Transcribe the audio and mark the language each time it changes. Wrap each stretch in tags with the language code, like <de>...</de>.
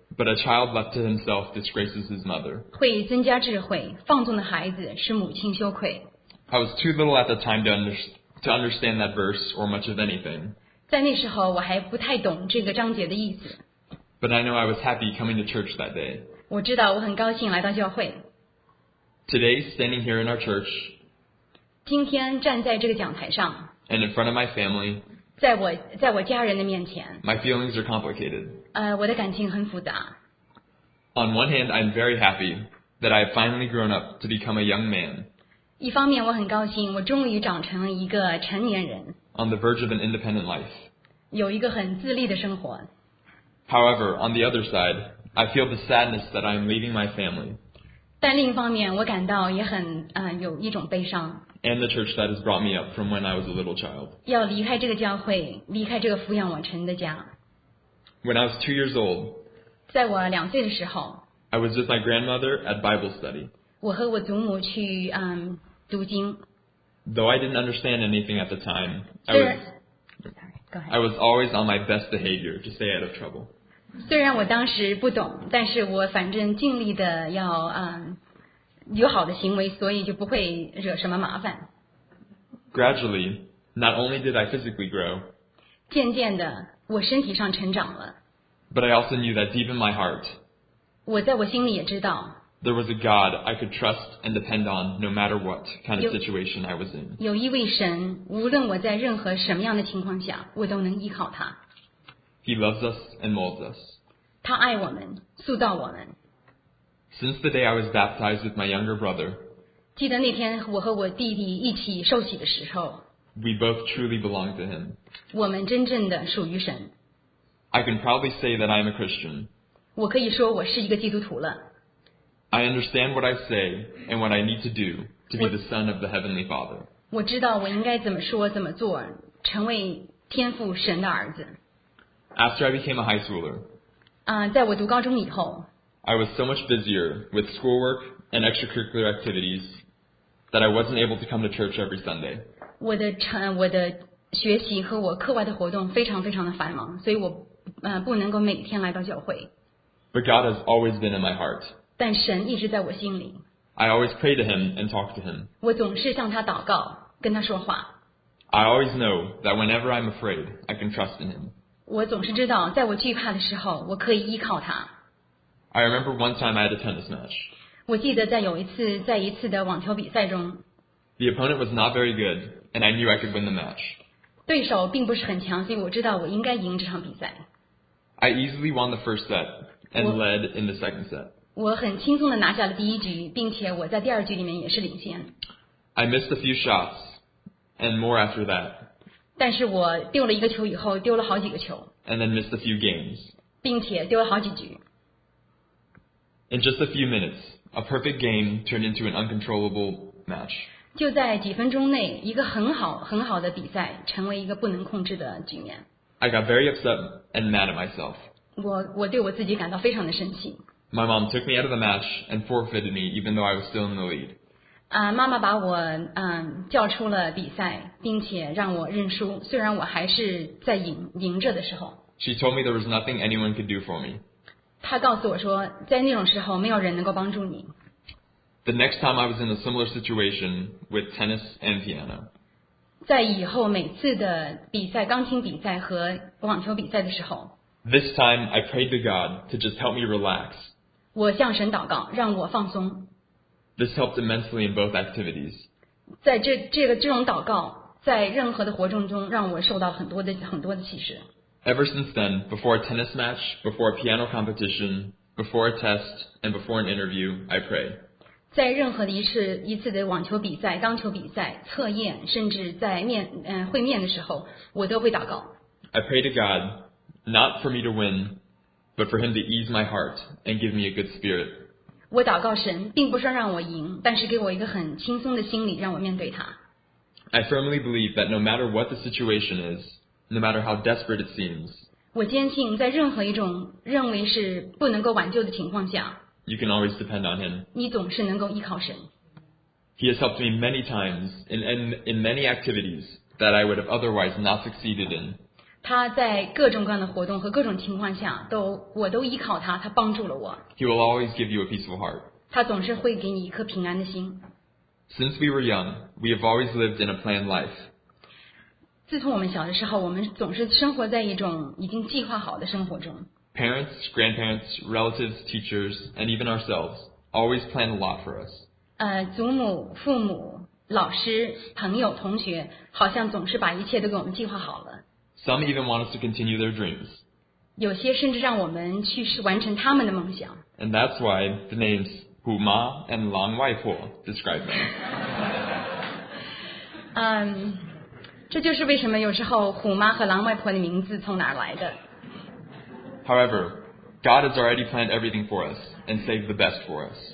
<en>But a child left to himself disgraces his mother.</en> <zh>会增加智慧，放纵的孩子使母亲羞愧。</zh> <en>I was too little at the time to understand that verse or much of anything.</en> <zh>在那时候我还不太懂这个章节的意思。</zh> <en>But I know I was happy coming to church that day.</en> <zh>我知道我很高兴来到教会。</zh> <en>Today, standing here in our church.</en> <zh>今天站在这个讲台上。</zh> <en>And in front of my family.</en> <zh>在我家人的面前。</zh> <en>My feelings are complicated.</en> <zh>我的感情很复杂。</zh> <en>On one hand, I'm very happy that I have finally grown up to become a young man.</en> <zh>一方面我很高兴我终于长成了一个成年人。</zh> <en>on the verge of an independent life.</en> <zh>有一个很自立的生活。</zh> <en>However, on the other side, I feel the sadness that I am leaving my family.</en> <zh>但另一方面，我感到也很有一种悲伤。</zh> <en>And the church that has brought me up from when I was a little child.</en> <zh>要离开这个教会，离开这个抚养我成的家。</zh> <en>When I was 2 years old,</en> <zh>在我两岁的时候</zh> <en>I was with my grandmother at Bible study.</en> <zh>我和我祖母去读经。</zh> <en>Though I didn't understand anything at the time, I was always on my best behavior to stay out of trouble.</en> <zh>虽然我当时不懂，但是我反正尽力的要有好的行为，所以就不会惹什么麻烦。</zh> <en>Gradually, not only did I physically grow,</en> <zh>渐渐的，我身体上成长了。</zh> <en>But I also knew that deep in my heart,</en> <zh>我在我心里也知道。</zh> <en>There was a God I could trust and depend on no matter what kind of situation I was in.</en> <zh>有一位神，无论我在任何什么样的情况下，我都能依靠他。</zh> <en>He loves us and molds us.</en> <zh>他爱我们，塑造我们。</zh> <en>Since the day I was baptized with my younger brother,</en> <zh>记得那天我和我弟弟一起受洗的时候，</zh> <en>we both truly belong to him.</en> <zh>我们真正的属于神。</zh> <en>I can proudly say that I am a Christian.</en> <zh>我可以说我是一个基督徒了。</zh> <en>I understand what I say and what I need to do to be the son of the Heavenly Father.</en> <zh>我知道我应该怎么说怎么做，成为天父神的儿子。</zh> <en>After I became a high schooler,</en> <zh>在我读高中以后，</zh> <en>I was so much busier with schoolwork and extracurricular activities that I wasn't able to come to church every Sunday.</en> <zh>我的学习和我课外的活动非常非常的繁忙，所以我不能够每天来到教会。</zh> <en>But God has always been in my heart.</en> <zh>但神一直在我心里。</zh> <en>I always pray to him and talk to him.</en> <zh>我总是向他祷告，跟他说话。</zh> <en>I always know that whenever I'm afraid, I can trust in him.</en> <zh>我总是知道，在我惧怕的时候，我可以依靠他。</zh> <en>I remember one time I had a tennis match.</en> <zh>我记得在一次的网球比赛中。</zh> <en>The opponent was not very good, and I knew I could win the match.</en> <zh>对手并不是很强，所以我知道我应该赢这场比赛。</zh> <en>I easily won the first set and led in the second set.</en> <zh>我很轻松地拿下了第一局，并且我在第二局里面也是领先。</zh> <en>I missed a few shots, and more after that.</en> <zh>但是我丢了一个球以后，丢了好几个球。</zh> <en>And then missed a few games.</en> <zh>并且丢了好几局。</zh> <en>In just a few minutes, a perfect game turned into an uncontrollable match.</en> <zh>就在几分钟内，一个很好的比赛成为一个不能控制的局面。</zh> <en>I got very upset and mad at myself.</en> <zh>我对我自己感到非常的生气。</zh> <en>My mom took me out of the match and forfeited me, even though I was still in the lead.</en> <zh>妈妈把我叫出了比赛，并且让我认输。虽然我还是在赢着的时候。</zh> <en>She told me there was nothing anyone could do for me.</en> <zh>她告诉我说，在那种时候，没有人能够帮助你。</zh> <en>The next time I was in a similar situation with tennis and piano.</en> <zh>在以后每次的比赛，钢琴比赛和网球比赛的时候。</zh> <en>This time, I prayed to God to just help me relax.</en> <zh>我向神祷告，让我放松。</zh> <en>This helped immensely in both activities.</en> <zh>在这种祷告，在任何的活动中，让我受到很多的启示。</zh> <en>Ever since then, before a tennis match, before a piano competition, before a test, and before an interview, I pray.</en> <zh>在任何一次的网球比赛、钢球比赛、测验，甚至在会面的时候，我都会祷告。</zh> <en>I pray to God. Not for me to win, but for him to ease my heart and give me a good spirit.</en> <zh>我祷告神，并不是让我赢，但是给我一个很轻松的心理，让我面对他。</zh> <en>I firmly believe that no matter what the situation is, no matter how desperate it seems,</en> <zh>我坚信在任何一种认为是不能够挽救的情况下，</zh> <en>you can always depend on him.</en> <zh>你总是能够依靠神。</zh> <en>He has helped me many times in many activities that I would have otherwise not succeeded in.</en> <zh>他在各种各样的活动和各种情况下我都依靠他，他帮助了我。</zh> <en>He will always give you a peaceful heart.</en> <zh>他总是会给你一颗平安的心。</zh> <en>Since we were young, we have always lived in a planned life.</en> <zh>自从我们小的时候，我们总是生活在一种已经计划好的生活中。</zh> <en>Parents, grandparents, relatives, teachers, and even ourselves always plan a lot for us.</en> <zh>祖母、父母、老师、朋友、同学，好像总是把一切都给我们计划好了。</zh> <en>Some even want us to continue their dreams.</en> <zh>有些甚至让我们去完成他们的梦想。</zh> <en>And that's why the names Hu Ma and Lang Waipo describe them.</en> <zh>这就是为什么有时候虎妈和狼外婆的名字从哪来的。</zh> <en>However, God has already planned everything for us and saved the best for us.</en>